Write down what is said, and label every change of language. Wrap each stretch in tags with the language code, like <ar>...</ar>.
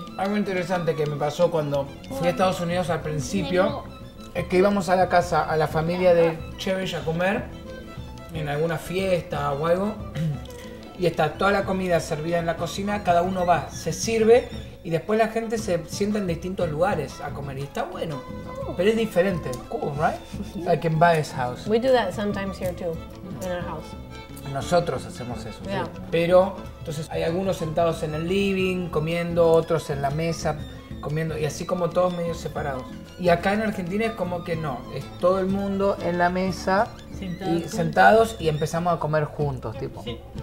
<es>Algo interesante que me pasó cuando fui a Estados Unidos al principio es que íbamos a la casa, a la familia de Chevish a comer. En alguna fiesta o algo, y está toda la comida servida en la cocina, cada uno va, se sirve, y después la gente se sienta en distintos lugares a comer, y está bueno, pero es diferente.</es> <en>Cool, right? Like in Baez house. We do that sometimes here too, in our house.</en> <es>Nosotros hacemos eso,</es> <en>yeah.</en> <es>¿Sí? Pero, entonces hay algunos sentados en el living, comiendo, otros en la mesa, comiendo, y así como todos medio separados. Y acá en Argentina es como que no, es todo el mundo en la mesa, sentados y, sentados y empezamos a comer juntos, tipo. Sí.</es>